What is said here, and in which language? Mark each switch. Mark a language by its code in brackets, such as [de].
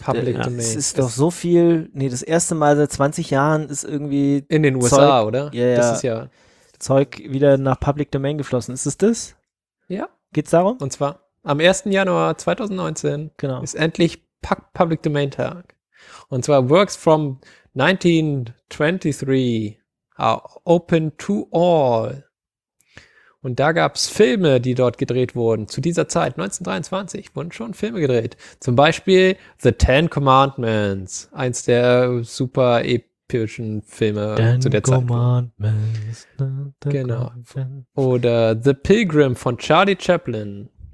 [de] Public Domain. Das ist doch so viel. Nee, das erste Mal seit 20 Jahren ist irgendwie. In den USA, Zeug, oder? Ja, ja. Das ist ja. Zeug wieder nach Public Domain geflossen. Ist es das? Ja. Geht's darum? Und zwar am 1. Januar 2019 genau. Ist endlich Public Domain Tag. Und zwar [en] Works from 1923 are open to all. [de] Und da gab es Filme, die dort gedreht wurden. Zu dieser Zeit, 1923, wurden schon Filme gedreht. Zum Beispiel The Ten Commandments. Eins der super epischen Filme zu der Zeit. [en] Commandments, [de] the genau. Commandments. Oder The Pilgrim von Charlie Chaplin.